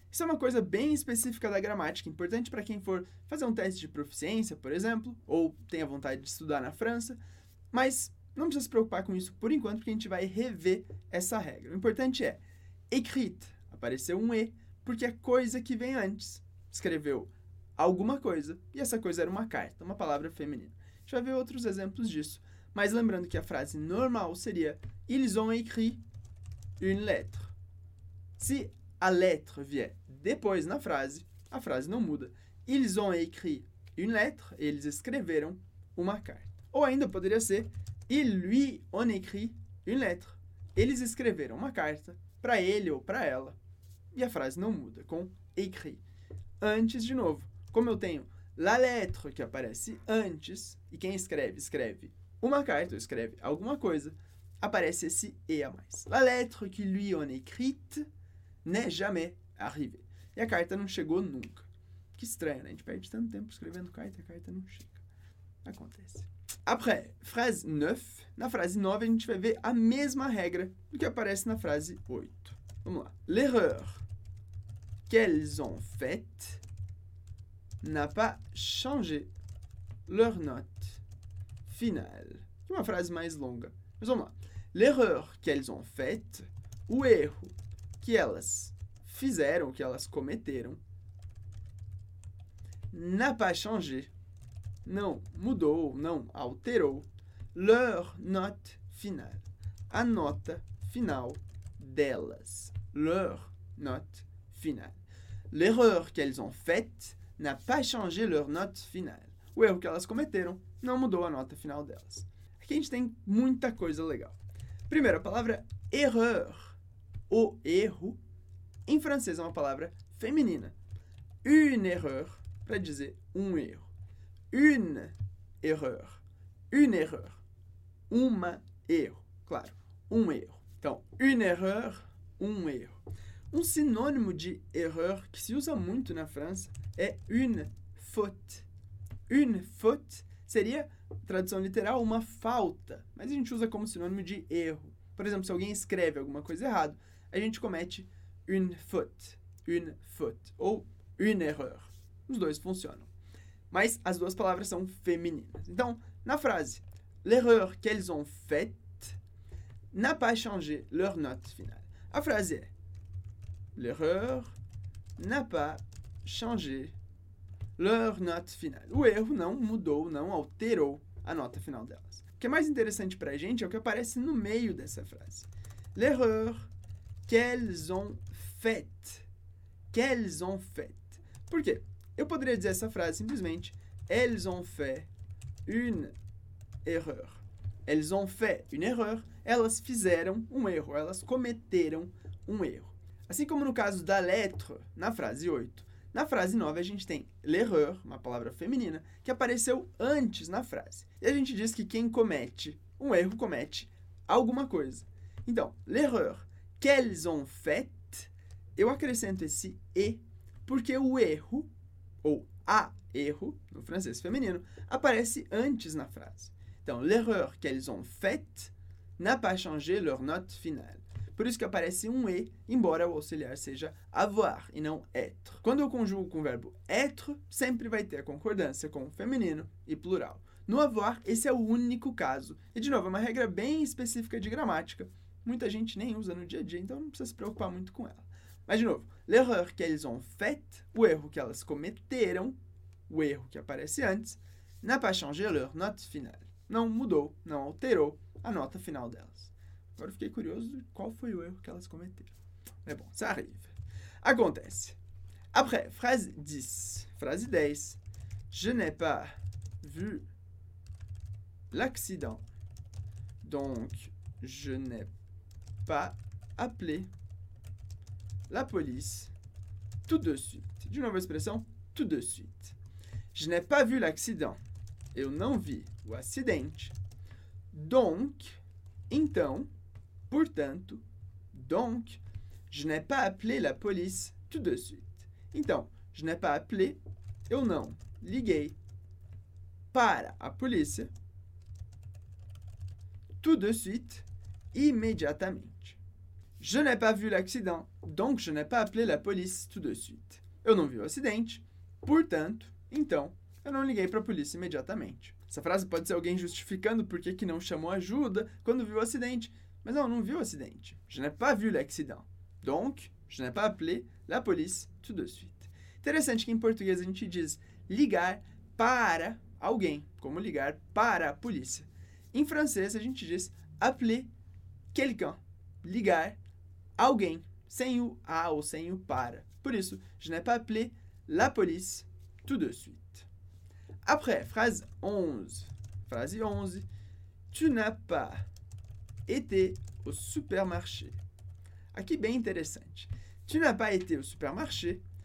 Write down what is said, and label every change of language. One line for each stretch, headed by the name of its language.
Portuguese: Isso é uma coisa bem específica da gramática, importante para quem for fazer um teste de proficiência, por exemplo, ou tenha vontade de estudar na França, mas não precisa se preocupar com isso por enquanto, porque a gente vai rever essa regra. O importante é, écrite, apareceu um E, porque é coisa que vem antes, escreveu alguma coisa, e essa coisa era uma carta, uma palavra feminina. A gente vai ver outros exemplos disso. Mas lembrando que a frase normal seria
French: Ils ont écrit une lettre.
Portuguese: Se a lettre vier depois na frase, a frase não muda.
French: Ils ont écrit une lettre.
Portuguese: Eles escreveram uma carta. Ou ainda poderia ser
French: Ils lui ont écrit une lettre.
Portuguese: Eles escreveram uma carta para ele ou para ela. E a frase não muda com écrit. Antes, de novo, como eu tenho la lettre que aparece antes, e quem escreve, escreve uma carta, escreve alguma coisa, aparece esse E a mais.
French: La lettre que lui on écrite n'est jamais arrivée.
Portuguese: E a carta não chegou nunca. Que estranho, né? A gente perde tanto tempo escrevendo carta, a carta não chega. Acontece.
French: Après, phrase 9.
Portuguese: Na frase 9, a gente vai ver a mesma regra do que aparece na frase 8. Vamos lá.
French: L'erreur qu'elles ont faite n'a pas changé leur note. Final.
Portuguese: Uma frase mais longa. Mas vamos lá.
French: L'erreur qu'elles ont faite,
Portuguese: o erro que elas fizeram, que elas cometeram,
French: n'a pas changé
Portuguese: não mudou, não alterou
French: leur note finale,
Portuguese: a nota final delas,
French: leur note finale. L'erreur qu'elles ont faite n'a pas changé leur note finale.
Portuguese: O erro que elas cometeram não mudou a nota final delas. Aqui a gente tem muita coisa legal. Primeira palavra, erreur. O erro, em francês, é uma palavra feminina.
French: Une erreur,
Portuguese: para dizer um erro.
French: Une erreur. Une erreur.
Portuguese: Uma erro. Claro, um erro. Então,
French: une erreur,
Portuguese: um erro. Um sinônimo de erreur que se usa muito na França é
French: une faute. Une faute
Portuguese: seria, tradução literal, uma falta. Mas a gente usa como sinônimo de erro. Por exemplo, se alguém escreve alguma coisa errada, a gente comete
French: une faute ou une erreur.
Portuguese: Os dois funcionam. Mas as duas palavras são femininas. Então, na frase,
French: l'erreur qu'elles ont faite n'a pas changé leur note finale.
Portuguese: A frase é,
French: l'erreur n'a pas changé leur note finale.
Portuguese: O erro não mudou, não alterou a nota final delas. O que é mais interessante para a gente é o que aparece no meio dessa frase.
French: L'erreur qu'elles ont faite. Qu'elles ont faite.
Portuguese: Por quê? Eu poderia dizer essa frase simplesmente,
French: elles ont fait une erreur. Elles ont fait une erreur.
Portuguese: Elas fizeram um erro. Elas cometeram um erro. Assim como no caso da lettre, na frase 8. Na frase 9, a gente tem l'erreur, uma palavra feminina, que apareceu antes na frase. E a gente diz que quem comete um erro, comete alguma coisa. Então,
French: l'erreur qu'elles ont faite,
Portuguese: eu acrescento esse e, porque o erro, ou a erro, no francês feminino, aparece antes na frase. Então,
French: l'erreur qu'elles ont faite n'a pas changé leur note finale.
Portuguese: Por isso que aparece um E, embora o auxiliar seja avoir e não être. Quando eu conjugo com o verbo être, sempre vai ter a concordância com o feminino e plural. No avoir, esse é o único caso. E, de novo, é uma regra bem específica de gramática. Muita gente nem usa no dia a dia, então não precisa se preocupar muito com ela. Mas, de novo,
French: l'erreur qu'elles ont faite,
Portuguese: o erro que elas cometeram, o erro que aparece antes,
French: n'a pas changé leur note finale.
Portuguese: Não mudou, não alterou a nota final delas. Agora fiquei curioso de qual foi o erro que elas cometeram. É bom,
French: ça arrive.
Portuguese: Acontece.
French: Après, phrase 10.
Portuguese: Frase 10.
French: Je n'ai pas vu l'accident. Donc, je n'ai pas appelé la police tout de suite.
Portuguese: De novo a expressão,
French: tout de suite. Je n'ai pas vu l'accident.
Portuguese: Eu não vi o acidente.
French: Donc,
Portuguese: então... Portanto,
French: donc, je n'ai pas appelé la police tout de suite.
Portuguese: Então,
French: je n'ai pas appelé,
Portuguese: eu não liguei para a polícia
French: tout de suite,
Portuguese: imediatamente.
French: Je n'ai pas vu l'accident, donc je n'ai pas appelé la police tout de suite.
Portuguese: Eu não vi o acidente, portanto, então, eu não liguei para a polícia imediatamente. Essa frase pode ser alguém justificando por que que não chamou ajuda quando viu o acidente. Mas não, não viu o acidente.
French: Je n'ai pas vu l'accident. Donc, je n'ai pas appelé la police tout de suite.
Portuguese: Interessante que em português a gente diz ligar para alguém, como ligar para a polícia. Em francês a gente diz
French: appeler quelqu'un,
Portuguese: ligar alguém, sem o a ou sem o para. Por isso,
French: je n'ai pas appelé la police tout de suite. Après, phrase 11. Phrase 11. Tu n'as pas... été au supermarché.
Portuguese: Aqui bem interessante.
French: Tu n'as pas été au supermarché.